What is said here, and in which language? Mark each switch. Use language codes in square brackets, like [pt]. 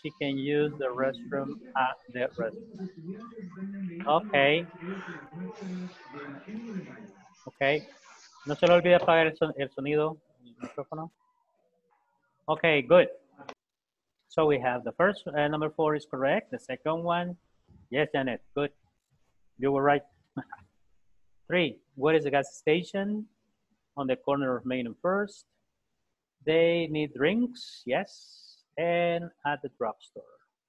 [en] She can use the restroom at the restroom. Okay. Okay. [es] No se le olvide apagar el sonido, el micrófono. [en] Okay, good. So we have the first, number 4 is correct. The second one, yes, Janet, good. You were right. 3, what is the gas station on the corner of Main and First? They need drinks, yes, and at the drugstore.